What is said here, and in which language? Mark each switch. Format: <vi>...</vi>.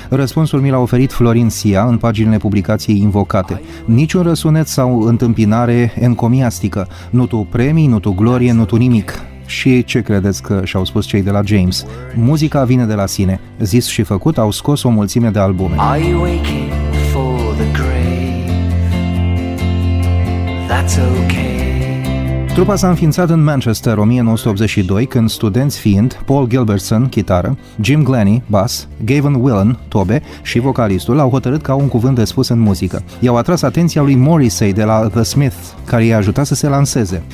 <ro>Răspunsul mi l-a oferit Florin Sia în paginile publicației Invocate. Niciun răsunet sau întâmpinare encomiastică. Nu tu premii, nu tu glorie, nu tu nimic. Și ce credeți că și-au spus cei de la James? Muzica vine de la sine. Zis și făcut, au scos o mulțime de albume.</ro> <en>Are you waking for the grave? That's okay.</en> <ro>Trupa s-a înființat în Manchester 1982, când studenți fiind Paul Gilbertson, chitară, Jim Glennie, bas, Gavin Whelan, tobe și vocalistul au hotărât că au un cuvânt de spus în muzică. I-au atras atenția lui Morrissey de la The Smiths, care i-a ajutat să se lanseze.</ro>